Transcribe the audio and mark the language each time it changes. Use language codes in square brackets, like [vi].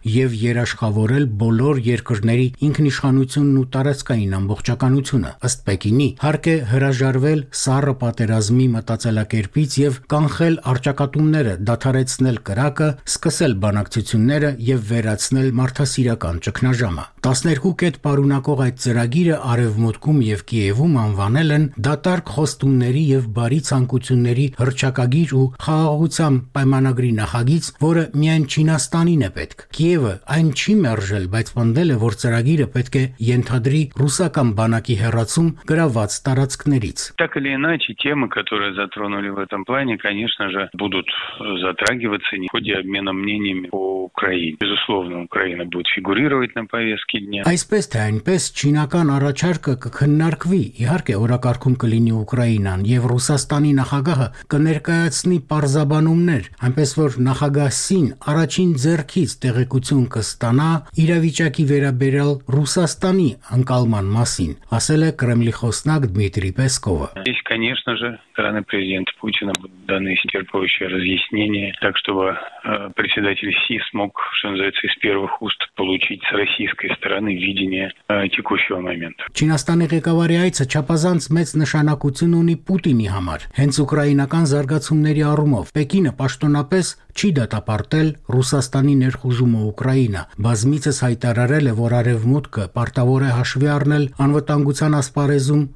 [hy] և երաշխավորել բոլոր երկրների ինքնիշխանությունն ու տարածքային ամբողջականությունը։ Ըստ Պեկինի, հարկ է հրաժարվել սառը պատերազմի մտածելակերպից և կանխել արճակատումները, դադարեցնել կրակը, սկսել բանակցությունները և վերացնել մարդասիրական ճգնաժամը։ 12 կետ պարունակող այդ ծրագիրը արևմուտքում և Կիևում անվանել են դատարկ խոստումների հարցերի եւ բարի ցանկությունների հրճակագիր ու խաղաղության պայմանագրի նախագիծ, որը միայն Չինաստանին է պետք։ Կիևը այն չի մերժել, բայց պնդել է, որ ծրագիրը պետք է ենթադրի ռուսական բանակի հեռացում գրաված տարածքներից։ [ru] Так или иначе, темы, которые затронули в этом плане, конечно же, будут затрагиваться в ходе обмена мнениями по Украине. Безусловно, Украина будет фигурировать на повестке дня. [hy] Այսպես թե այնպես չինական առաջարկը կքննարկվի, իհարկե օրակարգում կլինի Ուկրաինան եւ Ռուսաստանի նախագահը կներկայացնի պարզաբանումներ, այնպես որ նախագահ Սին առաջին ձեռքից տեղեկություն կստանա իրավիճակի վերաբերյալ Ռուսաստանի անկալման մասին, ասել է Կրեմլի խոսնակ Դմիտրի Պեսկովը։ [ru] Ես, конечно же, страны президента Путина будут даны исчерпывающие разъяснения, так чтобы председатель Си смог, что называется, из первых уст получить с российской стороны видение текущего момента. [hy] Չինաստանի ղեկավարի այցը չափազանց մեծ նշանակություն ունի Պուտինի համար, հենց ուկրաինական զարգացումների առումով։ Պեկինը պաշտոնապես չի դատապարտել Ռուսաստանի ներխուժումը Ուկրաինա, բազմիցս հայտարարել է, որ արևմուտքը պարտավոր է հաշվի առնել անվտանգության ասպարեզում